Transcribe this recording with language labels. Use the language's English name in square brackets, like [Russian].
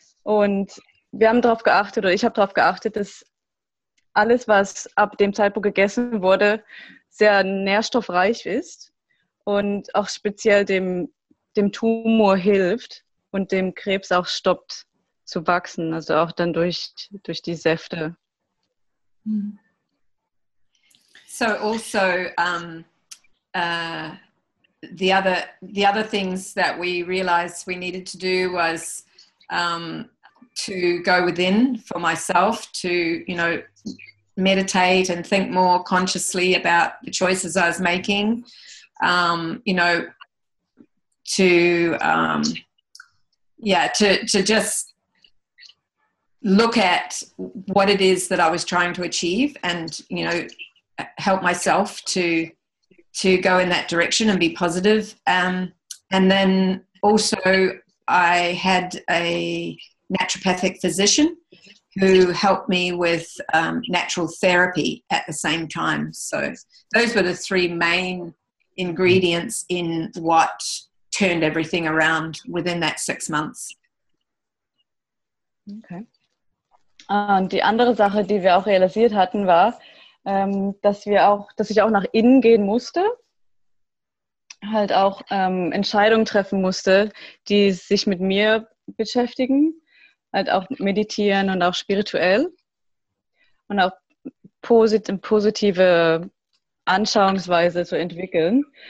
[German] Und wir haben darauf geachtet, oder ich habe darauf geachtet, dass alles, was ab dem Zeitpunkt gegessen wurde, sehr nährstoffreich ist und auch speziell dem Tumor hilft und dem Krebs auch stoppt zu wachsen, also auch dann durch die Säfte. [English] So also the other things that we realized we needed to do was to go within for myself, to, you know, meditate and think more consciously about the choices I was making, to just look at what it is that I was trying to achieve and, you know, help myself to go in that direction and be positive. And then also I had a naturopathic physician who helped me with natural therapy at the same time. So those were the three main ingredients in what turned everything around within that 6 months. Okay. [German] Und die andere Sache, die wir auch realisiert hatten, war, dass ich auch nach innen gehen musste, halt auch Entscheidungen treffen musste, die sich mit mir beschäftigen, halt auch meditieren und auch spirituell und auch positive Anschauungsweise zu entwickeln.